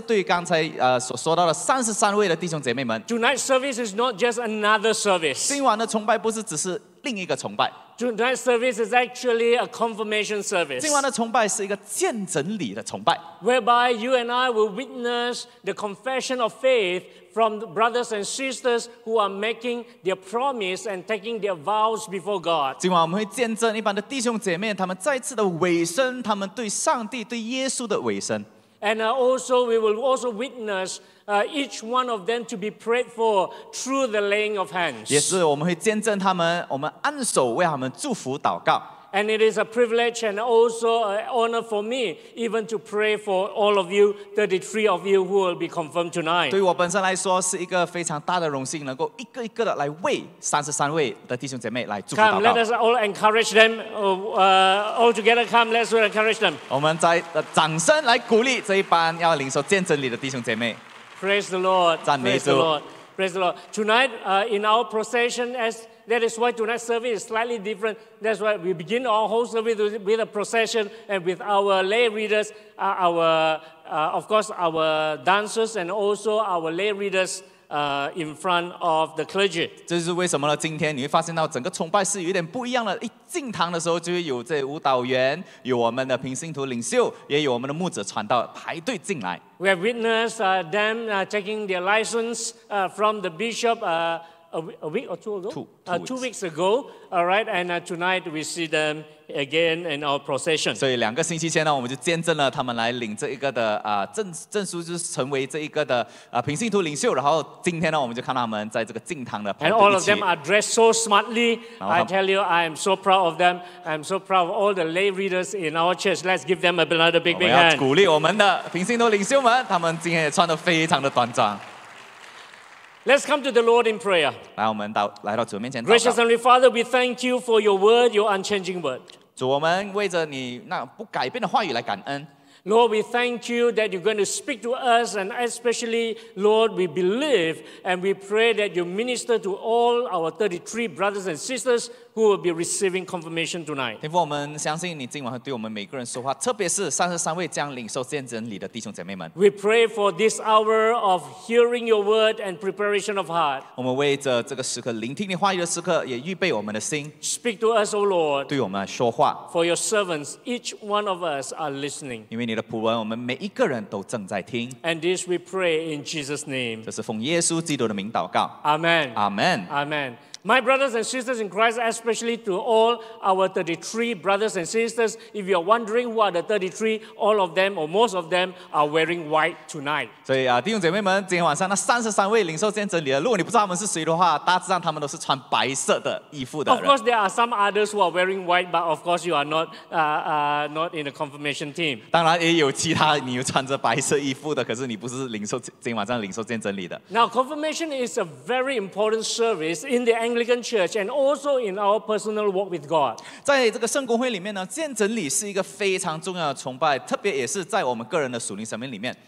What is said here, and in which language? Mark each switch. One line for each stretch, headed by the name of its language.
Chinese: 就正如刚才我们听到戴慧丽所讲的，今天晚上是个非常特别的崇拜，特别是对刚才所说到的33位的弟兄姐妹们。
English: Tonight's service is not just another service.
Chinese: 今晚的崇拜不是只是另一个崇拜。
English: Tonight's service is actually a confirmation service.
Chinese: 今晚的崇拜是一个见证礼的崇拜,
English: whereby you and I will witness the confession of faith from the brothers and sisters who are making their promise and taking their vows before God.
Chinese: 今晚我们会见证一般的弟兄姐妹他们再次的委身，他们对上帝、对耶稣的委身。
English: And also, we will also witness each one of them to be prayed for through the laying of hands.
Chinese: 也是我们会见证他们，我们按手为他们祝福祷告。
English: And it is a privilege and also an honor for me even to pray for all of you, 33 of you who will be confirmed tonight.
Chinese: 对我本身来说是一个非常大的荣幸，能够一个一个的来为33位的弟兄姐妹来祝福祷告。
English: Come, let us all encourage them. All together, come, let's encourage them.
Chinese: 我们再掌声来鼓励这一班要领受见证礼的弟兄姐妹。
English: Praise the Lord.
Chinese: 赞美主。
English: Praise the Lord. Tonight, in our procession, as that is why tonight's service is slightly different. That's why we begin our whole service with a procession and with our lay readers, our dancers and also our lay readers in front of the clergy.
Chinese: 这是为什么呢？今天你会发现到整个崇拜是有点不一样的。一进堂的时候，就会有这舞蹈员，有我们的平信徒领袖，也有我们的牧者传道排队进来。
English: We have witnessed them taking their license from the bishop a week or two ago. Two weeks ago. All right, and tonight we see them again in our procession.
Chinese: 所以两个星期前呢，我们就见证了他们来领这一个的证书，就是成为这一个的平信徒领袖。然后今天呢，我们就看到他们在这个敬堂的排队一起。
English: And all of them are dressed so smartly. I tell you, I am so proud of them. I'm so proud of all the lay readers in our church. Let's give them another big hand.
Chinese: 我们要鼓励我们的平信徒领袖们，他们今天也穿得非常的端庄。
English: Let's come to the Lord in prayer.
Chinese: 来，我们到来到主面前。
English: Gracious Heavenly Father, we thank you for your word, your unchanging word.
Chinese: 主，我们为着你那不改变的话语来感恩。
English: Lord, we thank you that you're going to speak to us, and especially, Lord, we believe and we pray that you minister to all our 33 brothers and sisters who will be receiving confirmation tonight.
Chinese: 天父，我们相信你今晚会对我们每个人说话，特别是33位将领受见证礼的弟兄姐妹们。
English: We pray for this hour of hearing your word and preparation of heart.
Chinese: 我们为着这个时刻聆听你话语的时刻，也预备我们的心。
English: Speak to us, O Lord.
Chinese: 对我们说话。
English: For your servants, each one of us are listening.
Chinese: 因为你的仆人，我们每一个人都正在听。
English: And this we pray in Jesus' name.
Chinese: 这是奉耶稣基督的名祷告。
English: Amen. Amen. Amen. My brothers and sisters in Christ, especially to all our 33 brothers and sisters, if you are wondering who are the 33, all of them or most of them are wearing white tonight.
Chinese: 所以啊，弟兄姐妹们，今天晚上那33位领受见证礼的，如果你不知道他们是谁的话，大致上他们都是穿白色的衣服的。
English: Of course, there are some others who are wearing white, but of course, you are not not in the confirmation team.
Chinese: 当然也有其他你有穿着白色衣服的，可是你不是领受今晚上领受见证礼的。
English: Now, confirmation is a very important service in the Anglican Church and also in our personal walk with God.
Chinese: 在这个圣公会里面呢，见证礼是一个非常重要的崇拜，特别也是在我们个人的属灵生命里面。